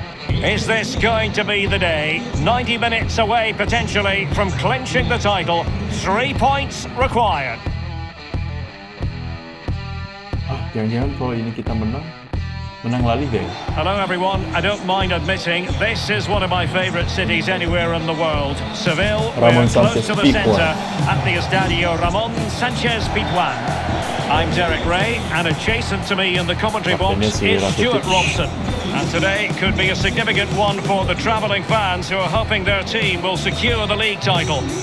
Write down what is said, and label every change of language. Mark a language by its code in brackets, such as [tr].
[en] Is this going to be the day? 90 minutes away potentially from clinching the title. 3 points required. [id] Ah, jangan-jangan kalau ini kita menang, menang La Liga. [en] Hello everyone. I don't mind admitting this is one of my favorite cities anywhere in the world. Seville, Ramon Sanchez close to the Pipuan. Center at the Estadio Ramon Sanchez Pizjuan. I'm Derek Ray, and adjacent to me in the commentary box is Stuart Robson. And today could be a significant one for the travelling fans who are hoping their team will secure the league title.